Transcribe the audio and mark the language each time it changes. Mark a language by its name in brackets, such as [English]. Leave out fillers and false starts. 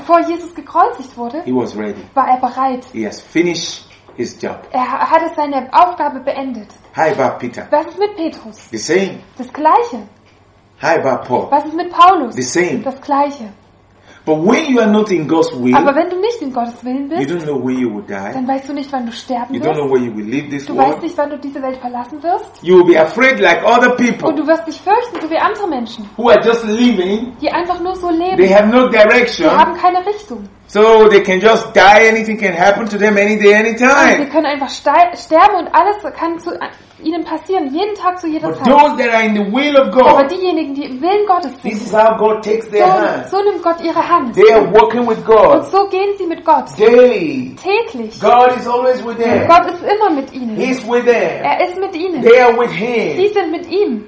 [German] Bevor Jesus gekreuzigt wurde. [English] He was ready. [German] War er bereit. [English] He has finished. His job. [German] Er hatte seine Aufgabe beendet. [English] How about Peter? [German] Was ist mit Petrus? [English] The same. [German] Das Gleiche. [English] How about Paul? [German] Was ist mit Paulus? [English] The same. [German] Das Gleiche. [English] But when you are not in God's will, [German] aber wenn du nicht in Gottes Willen bist, [English] you don't know when you will die. [German] Dann weißt du nicht, wann du sterben [English] you [German] wirst. [English] Don't know where you will leave this [German] du [English] world. [German] Weißt nicht, wann du diese Welt verlassen wirst. [English] You will be afraid like other people. [German] Und du wirst dich fürchten, so wie andere Menschen, [English] who are just living, [German] die einfach nur so leben. [English] They have no direction. [German] Die haben keine Richtung. [English] So they can just die, anything can happen to them any day, any time. [German] Sie können einfach sterben und alles kann zu ihnen passieren, jeden Tag zu jeder [English] But [German] Zeit. [English] Those that are in the will of God, [German] aber diejenigen, die im Willen Gottes sind, [English] this is how God takes their [German] so, so nimmt Gott ihre Hand. [English] They are walking with God. [German] Und so gehen sie mit Gott. [English] Daily. [German] Täglich. [English] God is always with them. [German] Gott ist immer mit ihnen. [English] He's with them. [German] Er ist mit ihnen. [English] They are with him. [German] Sie sind mit ihm.